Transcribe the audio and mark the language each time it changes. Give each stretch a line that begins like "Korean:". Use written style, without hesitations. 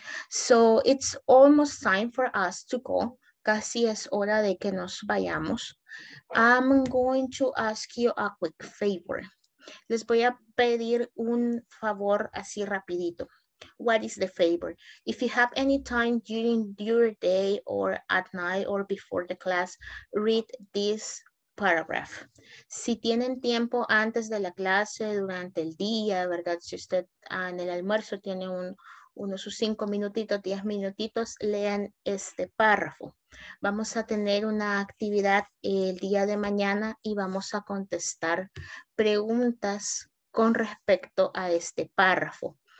English: So it's almost time for us to go.
Spanish: Casi es hora de que nos vayamos.
English: I'm going to ask you a quick favor.
Spanish: Les voy a pedir un favor así rapidito.
English: What is the favor? If you have any time during your day or at night or before the class, read this paragraph.
Spanish: Si tienen tiempo antes de la clase, durante el día, ¿verdad? Si usted en el almuerzo tiene unos 5 minutitos, 10 minutitos, lean este párrafo. Vamos a tener una actividad el día de mañana y vamos a contestar preguntas con respecto a este párrafo.